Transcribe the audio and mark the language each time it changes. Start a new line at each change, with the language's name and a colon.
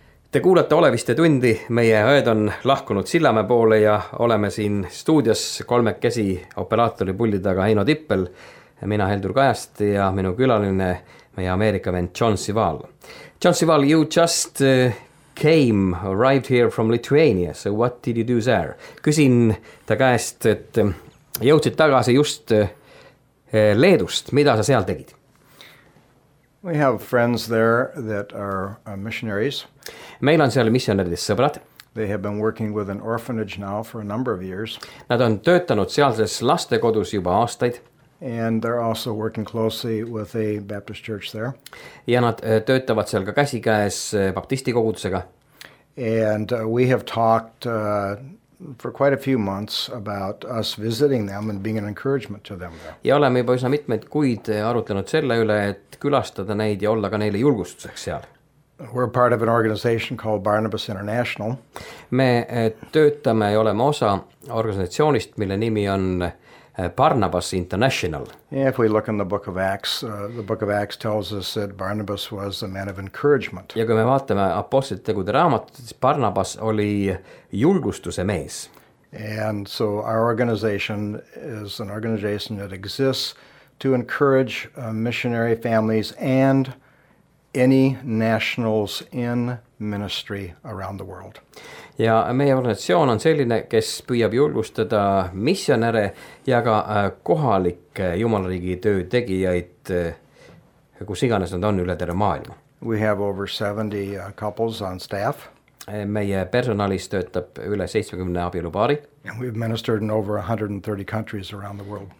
Estonian: Te kuulate Oleviste tundi, meie ööd on lahkunud Sillamäe poole ja oleme siin stuudios kolmekesi operaatori pullidega Heino Tippel, mina Heldur Kajast ja minu külaline meie Ameerika vend John Sival.
English: John Sival, you just arrived here from Lithuania, so what did you do there?
Estonian: Küsin ta käest, et jõudsid tagasi just Leedust, mida sa seal tegid?
English: We have friends there that are missionaries.
Estonian: Meil on seal missionärides sõbrad.
English: They have been working with an orphanage now for a number of years.
Estonian: Nad on töötanud sealses lastekodus juba aastaid.
English: And they're also working closely with a Baptist church there.
Estonian: Ja nad töötavad seal ka käsi käes baptisti kogudusega.
English: And we have talked for quite a few months about us visiting them and being an encouragement to them there.
Estonian: Ja oleme juba üsna mitmed kuid arutanud selle üle, et külastada neid ja olla ka neile julgustuseks seal.
English: We're part of an organization called Barnabas International.
Estonian: Me töötame ja oleme osa organisatsioonist, mille nimi on Barnabas International.
English: Yeah, if we look in the book of Acts tells us that Barnabas was a man of encouragement.
Estonian: Ja kui me vaatame apostlitegude raamatut, siis Barnabas oli julgustuse mees.
English: And so our organization is an organization that exists to encourage missionary families and any nationals in ministry around the world.
Estonian: Ja meie organisatsioon on selline, kes püüab julgustada missionäre ja ka kohalik jumalariigi töö tegijaid, kus iganes nad on üle terve maailma.
English: We have over 70 couples on staff.
Estonian: Meie personalis töötab üle 70 abielupaari.
English: And we've ministered in over 130 countries around the world.